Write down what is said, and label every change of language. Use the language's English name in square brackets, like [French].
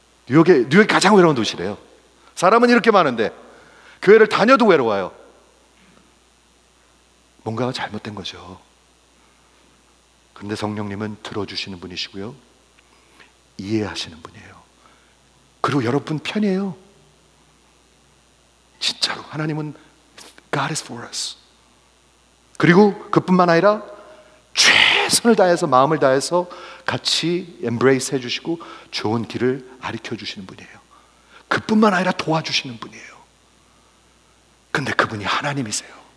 [Korean] 뉴욕이 가장 외로운 도시래요. 사람은 이렇게 많은데 교회를 다녀도 외로워요. 뭔가가 잘못된 거죠. 그런데 성령님은 들어주시는 분이시고요. 이해하시는 분이에요. 그리고 여러분 편이에요. 진짜로 하나님은 [English] God is for us. [Korean] 그리고 그뿐만 아니라 최선을 다해서 마음을 다해서 같이 embrace 해주시고 좋은 길을 가르쳐주시는 분이에요. 그뿐만 아니라 도와주시는 분이에요. 근데 그분이 하나님이세요.